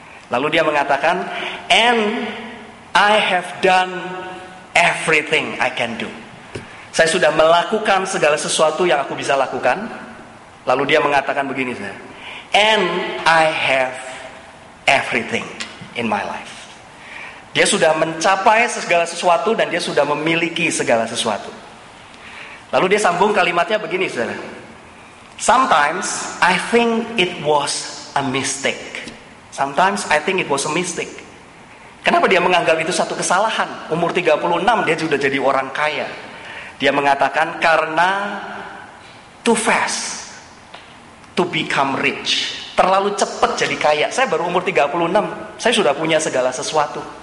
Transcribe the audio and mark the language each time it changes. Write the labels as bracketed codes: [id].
[id] Lalu dia mengatakan, [en] and I have done everything I can do. [id] Saya sudah melakukan segala sesuatu yang aku bisa lakukan. Lalu dia mengatakan begini, saudara, [en] and I have everything in my life. [id] Dia sudah mencapai segala sesuatu dan dia sudah memiliki segala sesuatu. Lalu dia sambung kalimatnya begini, saudara. [en] Sometimes I think it was a mistake. Sometimes I think it was a mistake. [id] Kenapa dia menganggap itu satu kesalahan? Umur 36 dia sudah jadi orang kaya. Dia mengatakan karena [en] too fast to become rich. [id] Terlalu cepat jadi kaya. Saya baru umur 36. Saya sudah punya segala sesuatu.